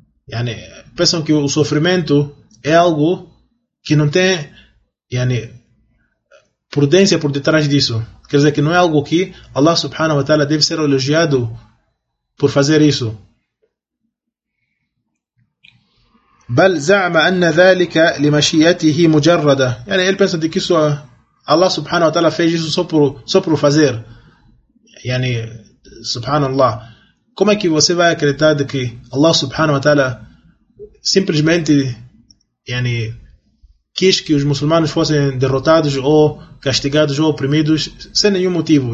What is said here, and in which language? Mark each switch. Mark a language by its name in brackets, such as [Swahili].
[Portuguese] Yani, pensam que o sofrimento é algo que não tem yani, prudência por detrás disso. Quer dizer que não é algo que Allah subhanahu wa ta'ala deve ser elogiado por fazer isso. [Arabic] بل زعم أن ذلك لمشيئته مجردة. [Portuguese] يعني ele pensa de que isso Allah subhanahu wa ta'ala fez isso só por fazer. Yani, subhanallah. Como é que você vai acreditar de que Allah subhanahu wa ta'ala simplesmente yani, quis que os muçulmanos fossem derrotados ou castigados ou oprimidos sem nenhum motivo?